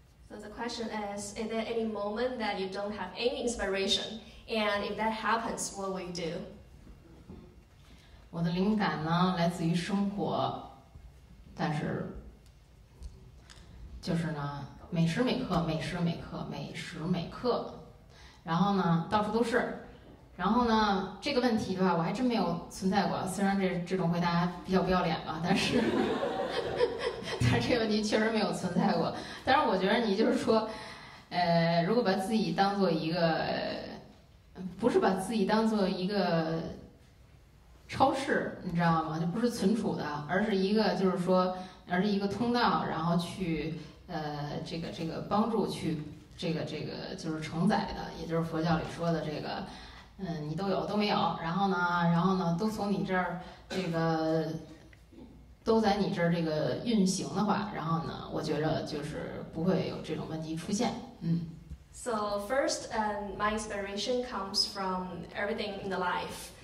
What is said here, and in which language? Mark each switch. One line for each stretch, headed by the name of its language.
English: The question is there any moment that you don't have any inspiration? And if that happens, what will you do?
Chinese: 我的灵感呢，来自于生活，但是就是呢，每时每刻，每时每刻，每时每刻，然后呢，到处都是。然后呢，这个问题对吧，我还真没有存在过。虽然这种回答比较不要脸吧，但是。但这个问题确实没有存在过，但是我觉得你就是说，如果把自己当做一个，不是把自己当做一个超市，你知道吗？就不是存储的，而是一个就是说，而是一个通道，然后去这个帮助去这个就是承载的，也就是佛教里说的这个，你都有都没有，然后呢都从你这儿这个。都在你这儿这个运行的话，然后呢，我觉着就是不会有这种问题出现。
English: So first, my inspiration comes from everything in the life.